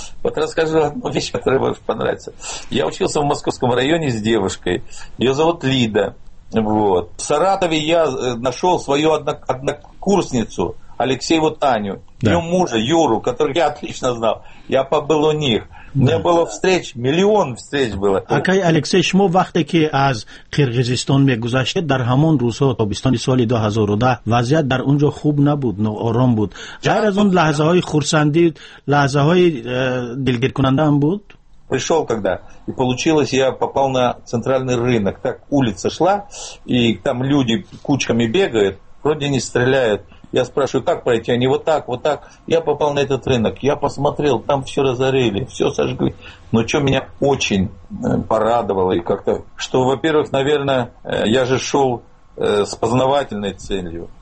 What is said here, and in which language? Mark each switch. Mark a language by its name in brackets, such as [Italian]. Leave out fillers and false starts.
[Russian] Вот расскажу одну вещь, которая может понравиться. Я учился в Московском районе с девушкой. Ее зовут Лида. Вот. В Саратове я нашел свою однокурсницу, Алексееву Таню, ее мужа Юру, которого я отлично знал. Я побыл у них. Мне было встреч, миллион встреч было. [Tajik] Акай Алексей, шмо вахте ки аз Кыргызстан мегузаште, дар хамон рӯзҳо тобистони соли 2010 вазъият дар онҷо хуб набуд, но ором буд. Ғайр аз он лаҳзаҳои хурсандӣ, лаҳзаҳои дилгиркунанда ам буд? [Russian] Пришел когда, и получилось, я попал на центральный рынок. Так улица шла, и там люди кучками бегают, вроде не стреляют. Я спрашиваю, как пройти? Они вот так, вот так. Я попал на этот рынок, я посмотрел, там все разорили, все сожгли. Но что меня очень порадовало, и как-то, что, во-первых, наверное, я же шел с познавательной целью.